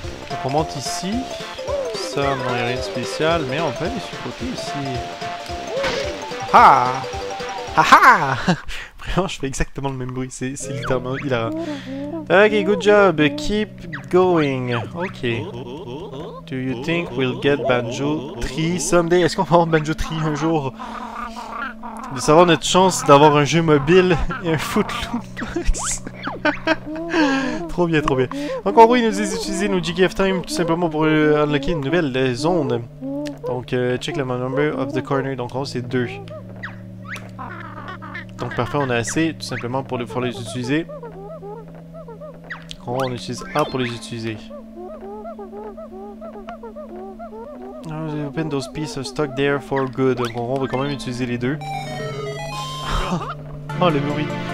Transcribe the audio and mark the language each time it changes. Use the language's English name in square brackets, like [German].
[French] Donc on monte ici. Ça, non, y a rien de spécial, mais on peut aller sur le côté ici. Ha! Ha ha! Vraiment, je fais exactement le même bruit, c'est littéralement hilarant. [English] Ok, good job, keep going. Ok. Do you think we'll get Banjo Tree someday? [French] Est-ce qu'on va avoir Banjo Tree un jour? De savoir notre chance d'avoir un jeu mobile et un Footloops. trop bien, trop bien. Donc en gros, ils nous disent d'utiliser nos GGF Time tout simplement pour unlocker une nouvelle zone. Donc, [English] check the number of the corner. [French] Donc en gros, c'est 2. Donc parfait, on a assez tout simplement pour pouvoir les utiliser. En gros, on utilise A pour les utiliser. [English] Open those pieces stuck there for good. [French] Donc en gros, on va quand même utiliser les deux. Oh, le bruit.